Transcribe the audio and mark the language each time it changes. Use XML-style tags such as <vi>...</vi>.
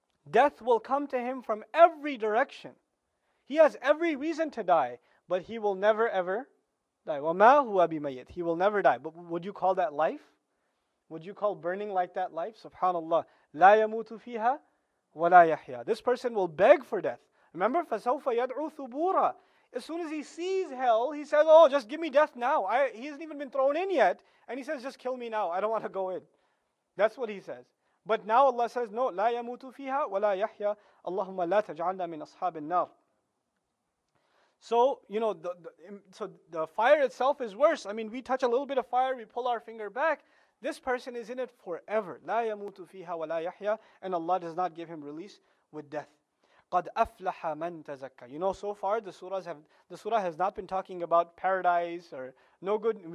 <en>Death will come to him from every direction. He has every reason to die, but he will never ever die.</en> <ar>وَمَا هُوَ بِمَيِّتٍ.</ar> <en>He will never die. But would you call that life? Would you call burning like that life?</en> <ar>Subhanallah. لا يموت فيها ولا يحيا.</ar> <en>This person will beg for death.</en> <ar>Remember, فسوف يدعو ثبورا.</ar> <en>As soon as he sees hell, he says, oh, just give me death now. He hasn't even been thrown in yet. And he says, just kill me now. I don't want to go in. That's what he says. But now Allah says, no,</en> <ar>لا يموت فيها ولا يحيا. اللهم لا تجعلنا من أصحاب النار.</ar> <en>So, you know, the fire itself is worse. I mean, we touch a little bit of fire, we pull our finger back. This person is in it forever.</en> <ar>لا يموت فيها ولا يحيا.</ar> <en>And Allah does not give him release with death.</en> <ar>قد أفلح من تزكى.</ar> <en>You know, so far the surah has not been talking about paradise or no good.</en>